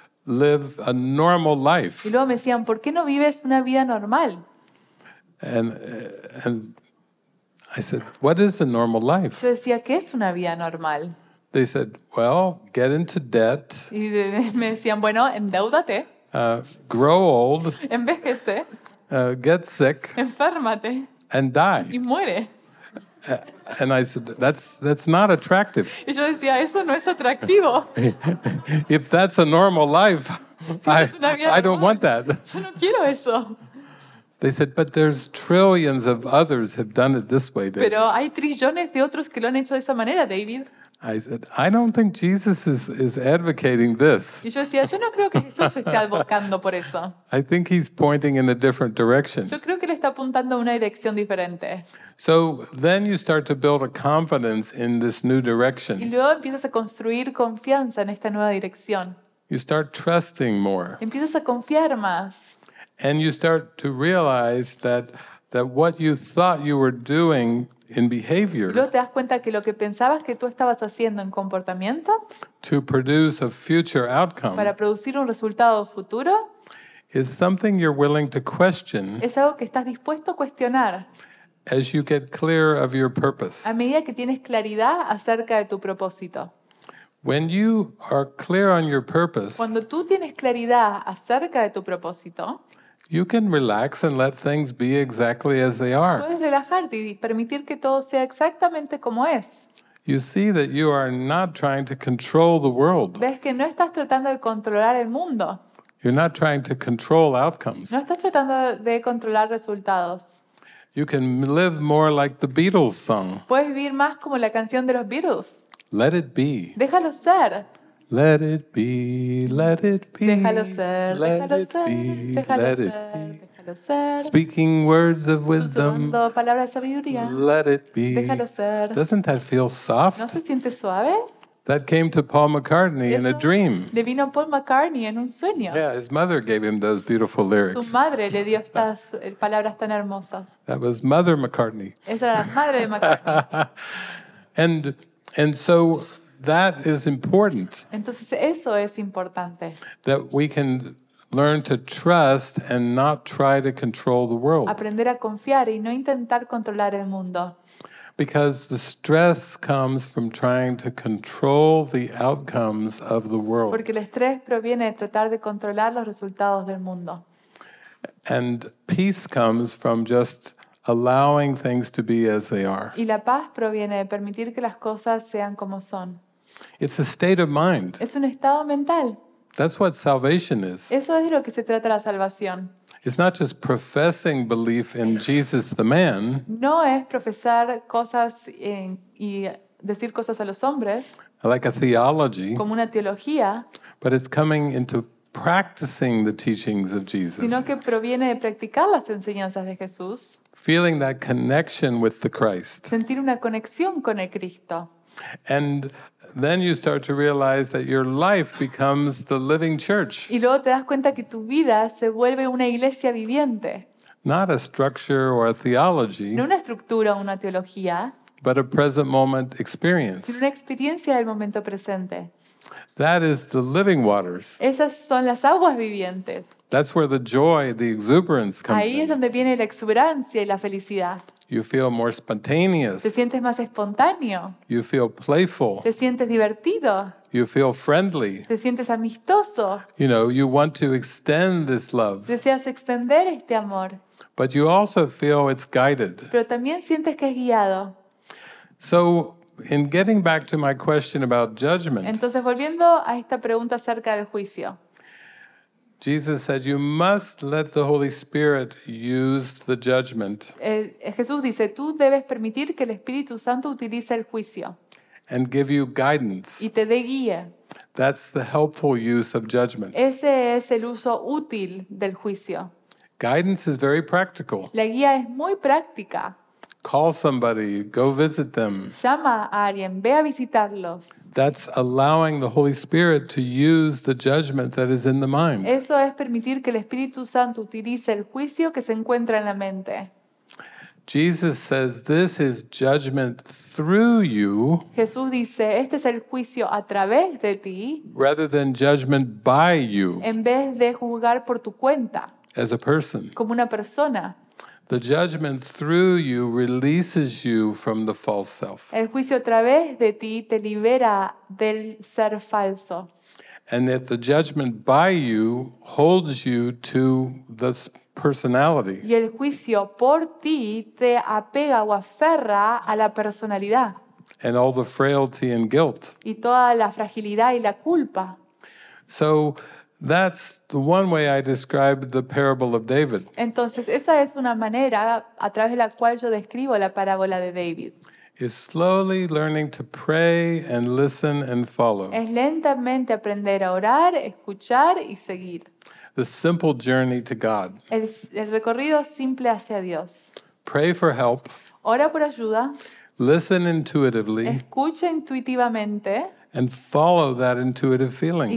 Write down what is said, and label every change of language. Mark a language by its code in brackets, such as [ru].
[en] live a normal life? [es] Y luego me decían, ¿por qué no vives una vida normal? [en] And I said, what is a normal life? [es] Yo decía, ¿qué es una vida normal? [en] They said, well, get into debt. [es] Y me decían, bueno, endeúdate. [en] Grow old. [es] Envejece. [en] Get sick. [es] Enférmate. [en] And die. [es] Y muere. [en] And I said, that's not attractive. [es] Y yo decía, eso no es atractivo. [en] If that's a normal life, I don't want that. [es] Yo no quiero eso. [en] They said, but there's trillions of others have done it this way, David. [es] Pero hay trillones de otros que lo han hecho de esa manera, David. [en] I said, I don't think Jesus is advocating this. [es] Y yo decía, yo no creo que Jesús esté abogando por eso. [en] I think he's pointing in a different direction. [es] Yo creo que él está apuntando a una dirección diferente. [en] So then you start to build a confidence in this new direction. [es] Y luego empiezas a construir confianza en esta nueva dirección. [en] You start trusting more. [es] Empiezas a confiar más. [en] And you start to realize that what you thought you were doing in behavior. [es] Luego te das cuenta que lo que pensabas que tú estabas haciendo en comportamiento [en] to produce a future outcome [es] para producir un resultado futuro [en] is something you're willing to question. [es] Es algo que estás dispuesto a cuestionar [en] as you get clear of your purpose. [es] A medida que tienes claridad acerca de tu propósito. [en] When you are clear on your purpose, [es] cuando tú tienes claridad acerca de tu propósito, [en] you can relax and let things be exactly as they are. [es] Puedes relajarte y permitir que todo sea exactamente como es. [en] You see that you are not trying to control the world. [es] Ves que no estás tratando de controlar el mundo. [en] You're not trying to control outcomes. [es] No estás tratando de controlar resultados. [en] You can live more like the Beatles song. [es] Puedes vivir más como la canción de los Beatles. [en] Let it be. [es] Déjalo ser. [en] Let it be, let it be. [es] Déjalo ser, déjalo ser, déjalo ser, déjalo ser. [en] Speaking words of wisdom. [es] Susurrando palabras de sabiduría. [en] Let it be. [es] Déjalo ser. [en] Doesn't that feel soft? [es] ¿No se siente suave? [en] That came to Paul McCartney in a dream. [es] Le vino a Paul McCartney en un sueño. [en] Yeah, his mother gave him those beautiful lyrics. [es] Su madre le dio estas palabras tan hermosas. [en] That was Mother McCartney. [es] Esa era la madre de McCartney. [en] And so that is important. [es] Entonces eso es importante. [en] That we can learn to trust and not try to control the world. [es] Aprender a confiar y no intentar controlar el mundo. [en] Because the stress comes from trying to control the outcomes of the world. [es] Porque el estrés proviene de tratar de controlar los resultados del mundo. [en] And peace comes from just allowing things to be as they are. [es] Y la paz proviene de permitir que las cosas sean como son. [en] It's a state of mind. [es] Es un estado mental. [en] That's what salvation is. [es] Eso es de lo que se trata la salvación. [en] It's not just professing belief in Jesus the man. [es] No es profesar cosas y decir cosas a los hombres. [en] Like a theology. [es] Como una teología. [en] But it's coming into practicing the teachings of Jesus. [es] Sino que proviene de practicar las enseñanzas de Jesús. [en] Feeling that connection with the Christ. [es] Sentir una conexión con el Cristo. [en] And then you start to realize that your life becomes the living church. [es] Y luego te das cuenta que tu vida se vuelve una iglesia viviente. [en] Not a structure or a theology. [es] No una estructura o una teología. [en] But a present moment experience. [es] Sino una experiencia del momento presente. [en] That is the living waters. [es] Esas son las aguas vivientes. [en] That's where the joy, the exuberance comes in. [es] Ahí es donde viene la exuberancia y la felicidad. [en] You feel more spontaneous. [es] Te sientes más espontáneo. [en] You feel playful. [es] Te sientes divertido. [en] You feel friendly. [es] Te sientes amistoso. [en] You know, you want to extend this love. [es] Deseas extender este amor. [en] But you also feel it's guided. [es] Pero también sientes que es guiado. [en] So, in getting back to my question about judgment. [es] Entonces, volviendo a esta pregunta acerca del juicio. [en] Jesus said you must let the Holy Spirit use the judgment. [es] Jesús dice, tú debes permitir que el Espíritu Santo utilice el juicio. [en] And give you guidance. [es] Y te dé guía. [en] That's the helpful use of judgment. [es] Ese es el uso útil del juicio. [en] Guidance is very practical. [es] La guía es muy práctica. [en] Call somebody, go visit them. [es] Llama a alguien, ve a visitarlos. [en] That's allowing the Holy Spirit to use the judgment that is in the mind. [es] Eso es permitir que el Espíritu Santo utilice el juicio que se encuentra en la mente. [en] Jesus says, this is judgment through you. [es] Jesús dice, este es el juicio a través de ti. [en] Rather than judgment by you. [es] En vez de juzgar por tu cuenta. [en] As a person. [es] Como una persona. [en] The judgment through you releases you from the false self. [es] El juicio a través de ti te libera del ser falso. [en] And that the judgment by you holds you to the personality. [es] Y el juicio por ti te apega o aferra a la personalidad. [en] And all the frailty and guilt. [es] Y toda la fragilidad y la culpa. [en] So that's the one way I describe the parable of David. [es] Entonces esa es una manera a través de la cual yo describo la parábola de David. [en] Is slowly learning to pray and listen and follow. [es] Es lentamente aprender a orar, escuchar y seguir. [en] The simple journey to God. [es] El recorrido simple hacia Dios. [en] Pray for help. [es] Ora por ayuda. [en] Listen intuitively. [es] Escucha intuitivamente. [en] And follow that intuitive feeling.